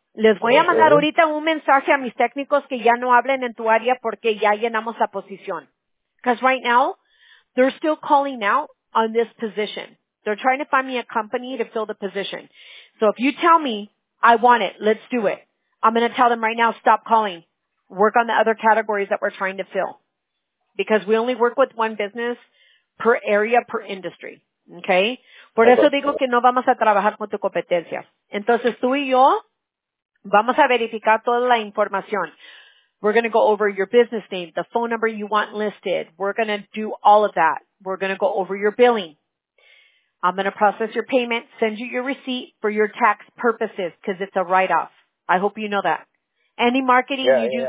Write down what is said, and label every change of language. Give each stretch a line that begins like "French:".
Spanish: Les voy a mandar ahorita un mensaje a mis técnicos que ya no hablen en tu área porque ya llenamos la posición.
English: Because right now, they're still calling out on this position. They're trying to find me a company to fill the position. So if you tell me, I want it, let's do it. I'm going to tell them right now, stop calling. Work on the other categories that we're trying to fill. Because we only work with one business per area, per industry. Okay?
Spanish: Por eso digo que no vamos a trabajar con tu competencia. Entonces, tú y yo vamos a verificar toda la información.
English: We're going to go over your business name, the phone number you want listed. We're going to do all of that. We're going to go over your billing. I'm going to process your payment, send you your receipt for your tax purposes because it's a write-off. I hope you know that. Any marketing you do